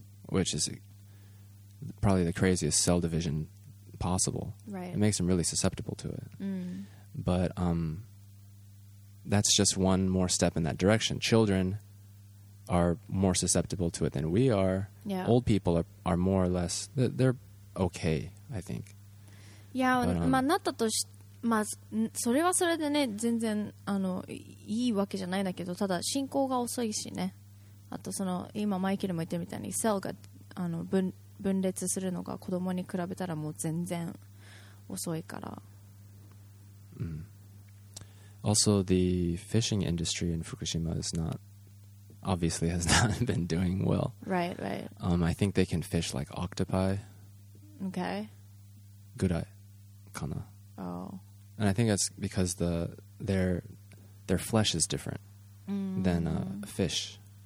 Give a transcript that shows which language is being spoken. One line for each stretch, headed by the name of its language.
English: Which is probably the craziest cell division possible. Right. It makes them really susceptible to it. Mm. But... that's just one more step in that direction. Children are more susceptible to it than we are. Yeah. Old people are more or less, they're okay, I think.
Japanese: Yeah, but, まあなったとし、まあそれはそれでね、全然あのいいわけじゃないんだけど、ただ進行が遅いしね。あとその今マイケルも言ってるみたいに、cell があの 分裂するのが子供に比べたらもう全然遅いから。
English: Also, the fishing industry in Fukushima is not, obviously has not been doing well. Right, right. I think they can fish like octopi. Okay.
Japanese: Gurai, kana.
English: Oh. And I think that's because their flesh is different than a fish.